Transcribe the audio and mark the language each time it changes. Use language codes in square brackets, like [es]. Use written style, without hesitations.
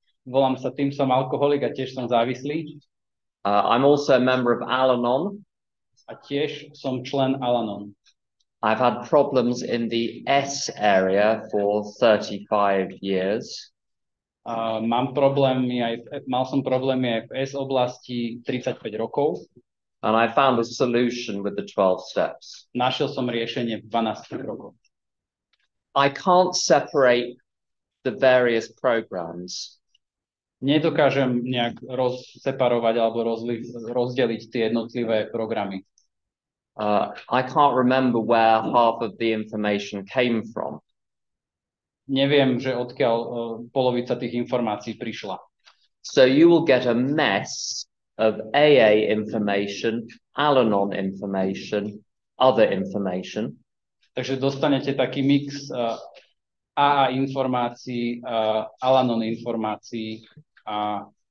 [sk] Volám sa Tim, som alkoholik a tiež som závislý. [en] I'm also a member of Al-Anon. [sk] A tiež som člen Al-Anon. [en] I've had problems in the S area for 35 years. [sk] Mal som problémy aj v S oblasti 35 rokov. [en] And I found a solution with the 12 steps. [sk] Našiel som riešenie v 12 krokoch. [en] I can't separate the various programs. [sk] Nedokážem nejak rozseparovať alebo rozdeliť tie jednotlivé programy. [en] I can't remember where half of the information came from. [sk] Neviem, že odkiaľ polovica tých informácií prišla. [en] So you will get a mess of AA information, Al-Anon information, other information. [sk] Takže dostanete taký mix AA informácií, Al-Anon informácií a